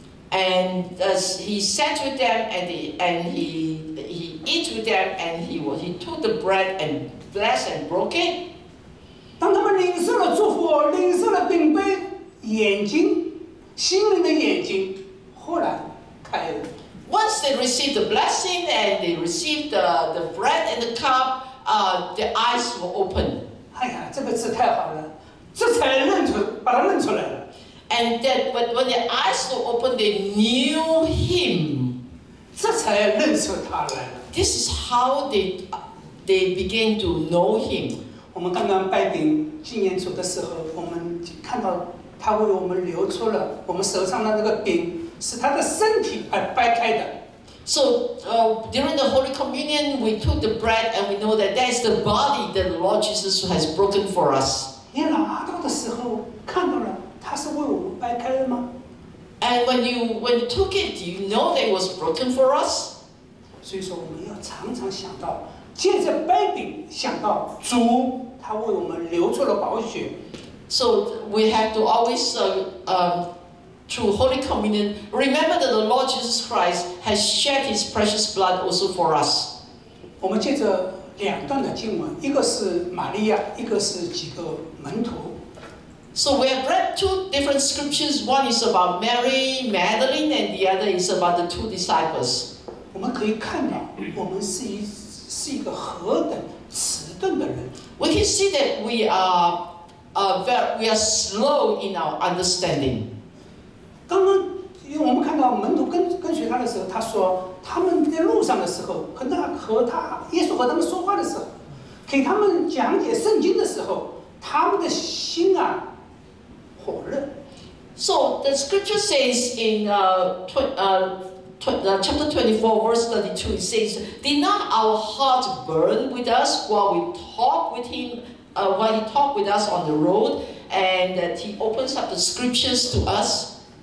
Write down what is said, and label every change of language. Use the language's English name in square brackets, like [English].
[English] And he sat with them and he eat with them and he took the bread and blessed and broke it. [Chinese] 当他们领受了祝福，领受了饼杯。眼睛，心灵的眼睛，忽然开了。 [English] Once they received the blessing and they received the bread and the cup, their eyes were open. [Chinese] 哎呀，这个字太好了，这才把他认出来了。 [English] And that, but when their eyes were open, they knew him. [Chinese] 这才认出他来了。 [English] This is how they began to know him. [Chinese] 我们刚刚拜饼纪念主的时候，我们看到。他为我们流出了我们手上的那个饼，是他的身体而掰开的。 [English] So, during the Holy Communion, we took the bread and we know that that is the body that the Lord Jesus has broken for us. [Chinese] 你拿到的时候看到了，他是为我们掰开了吗？ [English] And when you took it, do you know that it was broken for us? [Chinese] 所以说我们要常常想到，借着掰饼想到主，他为我们流出了宝血。 [English] So we have to always, through Holy Communion, remember that the Lord Jesus Christ has shed His precious blood also for us. [Chinese] 我们借着两段的经文，一个是玛利亚，一个是几个门徒。 [English] So we have read two different scriptures. One is about Mary Magdalene, and the other is about the two disciples. [Chinese] 我们可以看到，我们是一个何等迟钝的人。 [English] We can see that we are. We are slow in our understanding. [Chinese] 刚刚，因为我们看到门徒跟随他的时候，他说他们在路上的时候，和他耶稣和他们说话的时候，给他们讲解圣经的时候，他们的心啊火热。 [English] So the scripture says in chapter 24, verse 32, it says, did not our heart burn with us while we talked with him, while he talked with us on the road, and that he opens up the scriptures to us?